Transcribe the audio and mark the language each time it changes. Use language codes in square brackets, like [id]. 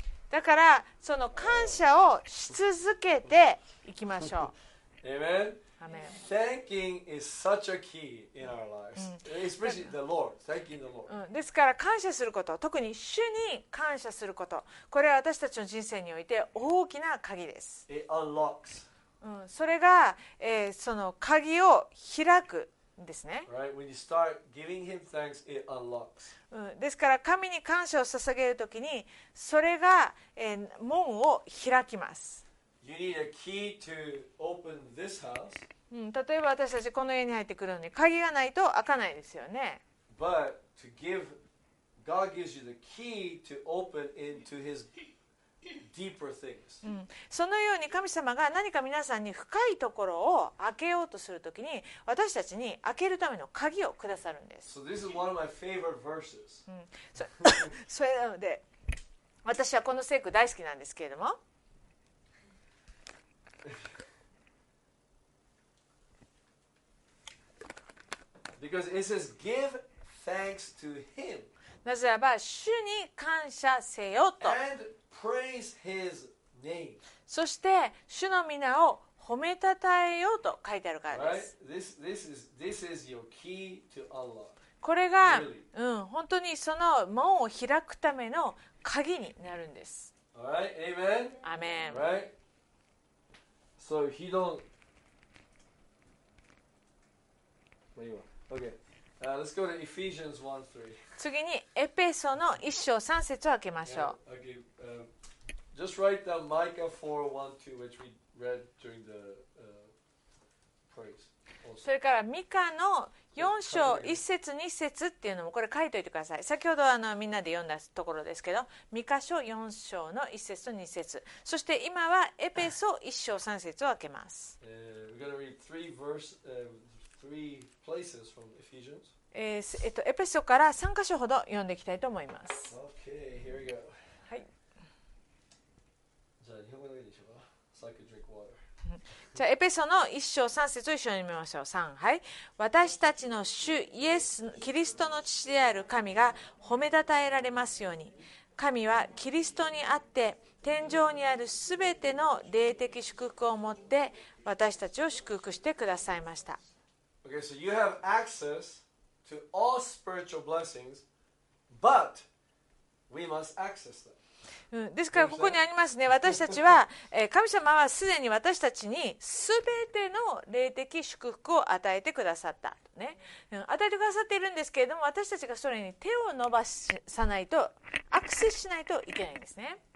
[ja] だからその感謝をし続けていきましょう。アメン。 [en] Thanking is such a key in our lives, especially the Lord. Thanking the Lord. [ja] ですから感謝すること、特に主に感謝すること、これは私たちの人生において大きな鍵です。 [en] It unlocks. [ja] それが、その鍵を開くんですね。 [en] Right? When you start giving Him thanks, it unlocks. [ja] ですから神に感謝を捧げるときに、それが、門を開きます。 [en] You need a key to open this house. [ja] 例えば私たちこの家に入ってくるのに鍵がないと開かないですよね。 [en] But to give, God gives you the key to open into His deeper things. [ja] そのように神様が何か皆さんに深いところを開けようとするときに、私たちに開けるための鍵をくださるんです。 [en] So this is one of my favorite verses. [ja] それなので私はこの聖句大好きなんですけれども。 [en] Because it says, "Give thanks to Him." [ja] なぜならば、主に感謝せよと。 [en] And praise His name. [ja] そして主の皆を褒めたたえよと書いてあるからです。 [en] Right? This is your key to Allah. [ja] これが、本当にその門を開くための鍵になるんです。 [en] All right, Amen. Amen. Right. So he don't. Where you are? Okay. Let's go to Ephesians 1:3. [ja] 次にエペソの1章3節を開けましょう。 [en] Just write down Micah 4:1-2, which we read during the praise. [ja] それからミカの4章1節2節っていうのもこれ書いておいてください。先ほどみんなで読んだところですけど、ミカ書4章の1節と2節、そして今はエペソ1章3節を開けます。 [en] We're going to read three places from Ephesians. [ja] エペソから3箇所ほど読んでいきたいと思います。 [en] OK, here we go. [ja] はい。じゃあ日本語でいいでしょうか。 [en] So I could drink water. [ja] じゃあエペソの1章3節を一緒に見ましょう。3、はい。私たちの主イエスキリストの父である神が褒めたたえられますように。神はキリストにあって天上にあるすべての霊的祝福をもって私たちを祝福してくださいました。 [en] Okay, so you have access to all spiritual blessings, but we must access them. [ja] ですからここにありますね、私たちは神様はすでに私たちにすべての霊的祝福を与えてくださったと、ね、与えてくださっているんですけれども、私たちがそれに手を伸ばさないと、アクセスしないといけないんですね。